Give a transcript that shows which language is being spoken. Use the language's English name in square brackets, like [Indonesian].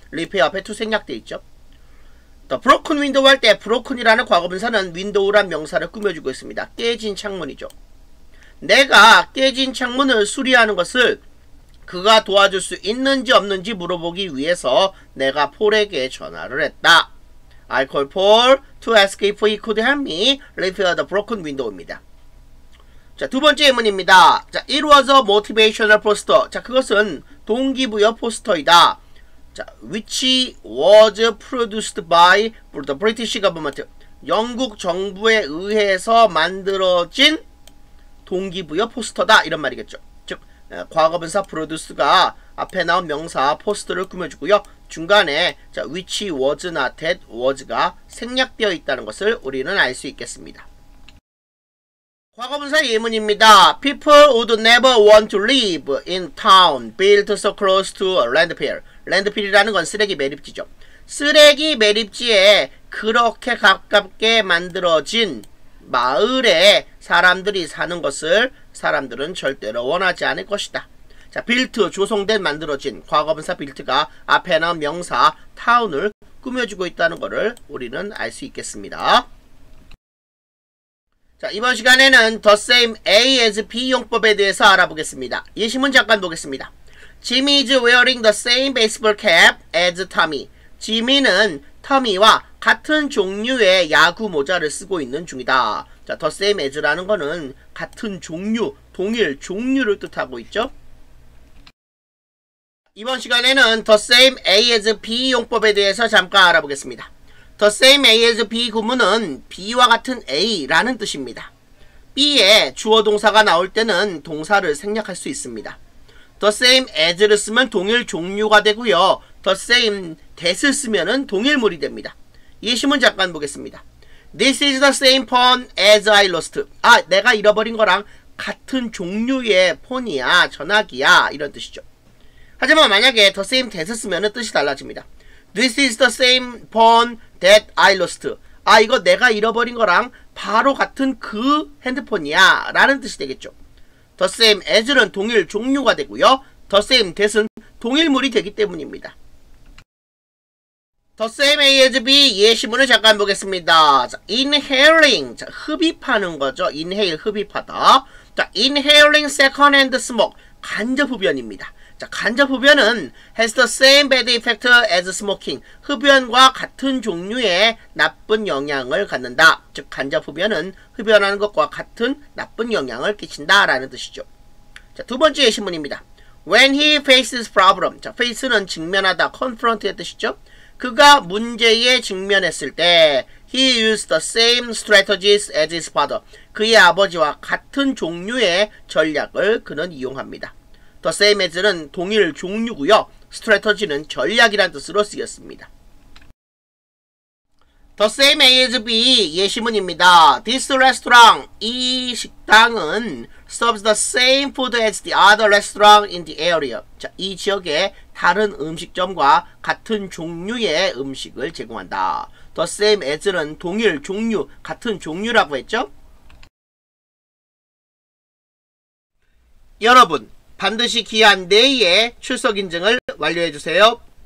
[Korean] repair 앞에 to 생략되어 있죠. [English] The broken window [Korean] 할 때 broken이라는 과거분사는 window란 명사를 꾸며주고 있습니다. 깨진 창문이죠. 내가 깨진 창문을 수리하는 것을 그가 도와줄 수 있는지 없는지 물어보기 위해서 내가 폴에게 전화를 했다. [English] I call Paul to ask if he could help me repair the broken window입니다. 자, 두 번째 예문입니다. 자, it was a motivational poster. [Korean] 자, 그것은 동기부여 포스터이다. [English] 자, which was produced by the British government. [Korean] 영국 정부에 의해서 만들어진 동기부여 포스터다. 이런 말이겠죠. 즉, 과거분사 produce가 앞에 나온 명사 포스터를 꾸며주고요. 중간에 자, which was not that was가 생략되어 있다는 것을 우리는 알 수 있겠습니다. 과거분사 예문입니다. [English] People would never want to live in town built so close to a landfill. [Korean] 랜드필이라는 건 쓰레기 매립지죠. 쓰레기 매립지에 그렇게 가깝게 만들어진 마을에 사람들이 사는 것을 사람들은 절대로 원하지 않을 것이다. 자, 빌트, 조성된, 만들어진, 과거분사 빌트가 앞에 나온 명사 타운을 꾸며주고 있다는 것을 우리는 알 수 있겠습니다. 자, 이번 시간에는 The same A as B 용법에 대해서 알아보겠습니다. 예시문 잠깐 보겠습니다. [English] Jimmy is wearing the same baseball cap as Tommy. Jimmy는 [Korean] 터미와 같은 종류의 야구 모자를 쓰고 있는 중이다. 자, the same as라는 거는 같은 종류, 동일 종류를 뜻하고 있죠. 이번 시간에는 the same as B 용법에 대해서 잠깐 알아보겠습니다. The same as B 구문은 B와 같은 A라는 뜻입니다. B에 주어 동사가 나올 때는 동사를 생략할 수 있습니다. The same as를 쓰면 동일 종류가 되고요. The same that을 쓰면 동일물이 됩니다. 예시문 잠깐 보겠습니다. [English] This is the same phone as I lost. [Korean] 아, 내가 잃어버린 거랑 같은 종류의 폰이야, 전화기야, 이런 뜻이죠. 하지만 만약에 the same that을 쓰면 뜻이 달라집니다. [English] This is the same phone that I lost. [Korean] 아, 이거 내가 잃어버린 거랑 바로 같은 그 핸드폰이야, 라는 뜻이 되겠죠. The same as는 동일 종류가 되고요. The same that은 동일물이 되기 때문입니다. The same as B 예시문을 잠깐 보겠습니다. 자, inhaling, 자, 흡입하는 거죠. Inhale, 흡입하다. 자, inhaling secondhand smoke, 간접흡연입니다. 자, 간접흡연은 [English] has the same bad effect as smoking. [Korean] 흡연과 같은 종류의 나쁜 영향을 갖는다. 즉, 간접흡연은 흡연하는 것과 같은 나쁜 영향을 끼친다 라는 뜻이죠. 자, 두 번째 예시문입니다. [English] When he faces problem, [Korean] 자, face는 직면하다, confront의 뜻이죠. 그가 문제에 직면했을 때 [English] he used the same strategies as his father. [Korean] 그의 아버지와 같은 종류의 전략을 그는 이용합니다. The same as는 동일 종류고요. strategy는 전략이란 뜻으로 쓰였습니다. The same as B 예시문입니다. [English] This restaurant, [Korean] 이 식당은 [English] serves the same food as the other restaurant in the area. [Korean] 자, 이 지역에 다른 음식점과 같은 종류의 음식을 제공한다. The same as는 동일 종류, 같은 종류라고 했죠? 여러분, 반드시 기한 내에 출석 인증을 완료해 주세요.